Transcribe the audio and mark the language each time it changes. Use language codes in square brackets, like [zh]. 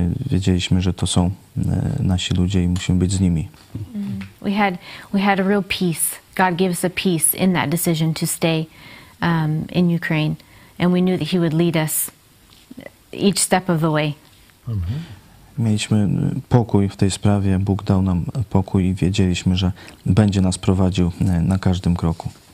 [pl] Wiedzieliśmy, że to są nasi ludzie i musimy być z nimi. [en] We had a real peace. God gave us a peace in that decision to stay in Ukraine, and we knew that He would lead us each step of the way. [pl] Mieliśmy pokój w tej sprawie. Bóg dał nam pokój i wiedzieliśmy, że będzie nas prowadził na każdym kroku.